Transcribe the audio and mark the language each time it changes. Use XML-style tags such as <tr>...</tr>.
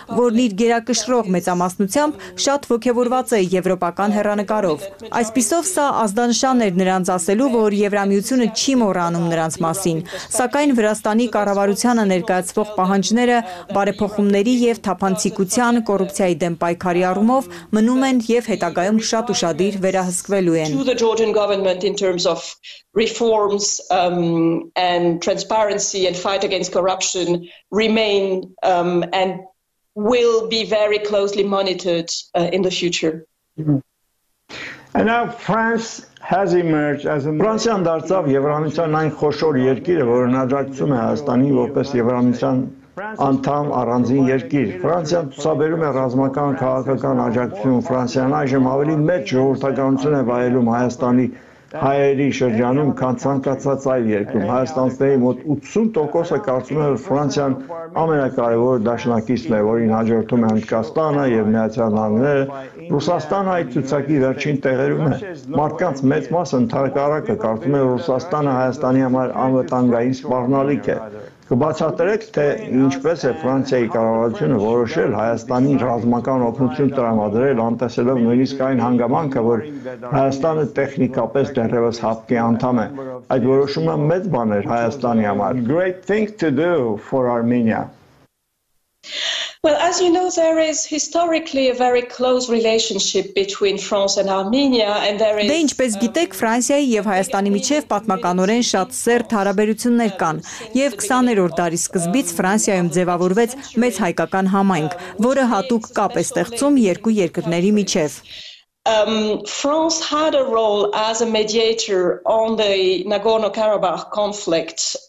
<hy>որն իր գերակշռող մեծամասնությամբ շատ ոգևորված է եվրոպական հերանեկարով։ Այսպիսով սա ազդանշան էր նրանց ասելու, որ Եվրամիությունը չի մոռանում նրանց մասին, սակայն Վրաստանի կառավարությանը ներկայացվող պահանջները բարեփոխումների եւ թափանցիկության, կոռուպցիայի դեմ պայքարի առումով մնում են եւ հետագայում շատ ուշադիր վերահսկվելու են։</hy> <en>The Georgian government in terms of reforms and transparency and fight against corruption remain and will be very closely monitored in the future. And now France has emerged as a</en> <hy>Ֆրանսիան դարձավ Եվրամիության այն խոշոր երկիրը, որը նաճակցում է Հայաստանի որպես Եվրամիության անդամ առանձին երկիր։ Ֆրանսիան ցուցաբերում է ռազմական քաղաքական աջակցություն, Ֆրանսիան այժմ ավելի մեծ ժողովրդականություն է վայելում Հայաստանի հայերի շրջանում, քան ցանկացած այլ երկրում։ Հայաստանցների մոտ 80%-ը կարծում է, որ Ֆրանսիան ամենակարևոր դաշնակիցն է, որին հաջորդում է Հնդկաստանը եւ Միացյալ Նահանգները։ Ռուսաստանը այդ ցուցակի վերջին տեղերում է։ Մարդկանց մեծ մասը ընդհանրապես կարծում է, որ Ռուսաստանը Հայաստանի համար անվտանգային սպառնալիք է։ Կբացատրեք, թե ինչպես է Ֆրանսիայի կառավարությունը որոշել Հայաստանի ռազմական օգնություն տրամադրել, անտեսելով նույնիսկ այն հանգամանքը, որ Հայաստանը տեխնիկապես դեռևս հապկի անդամ է։ Այդ որոշումը մեծ բան էր Հայաստանի համար։</hy> <en>Great thing to do for Armenia. Well, as you know, there is historically a very close relationship between France and Armenia, and there is.</en> <hy>Դե ինչպես գիտեք, Ֆրանսիայի եւ Հայաստանի միջև պատմականորեն շատ սերտ հարաբերություններ կան, եւ 20-րդ դարի սկզբից Ֆրանսիայում ձևավորվեց մեծ հայկական համայնք, որը հատուկ կապ է ստեղծում երկու երկրների միջև։</hy> <en>France had a role as a mediator on the Nagorno-Karabakh conflict.</en>